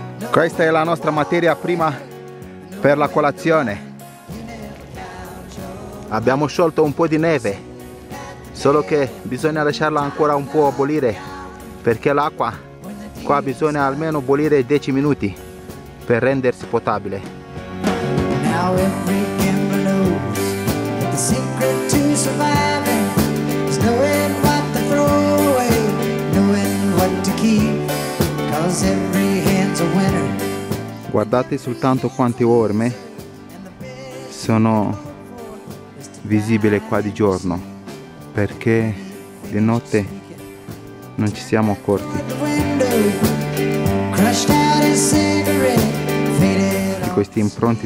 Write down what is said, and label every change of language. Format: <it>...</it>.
<it>Questa è la nostra materia prima per la colazione. Abbiamo sciolto un po' di neve, solo che bisogna lasciarla ancora un po' bollire, perché l'acqua qua bisogna almeno bollire 10 minuti per rendersi potabile.</it> <en>Now everything blows, the secret to surviving is knowing what to throw away, knowing what to keep, cause every hand's a winner.</en> <it>Guardate soltanto quante orme sono visibile qua di giorno, perché di notte non ci siamo accorti di questi impronti.</it>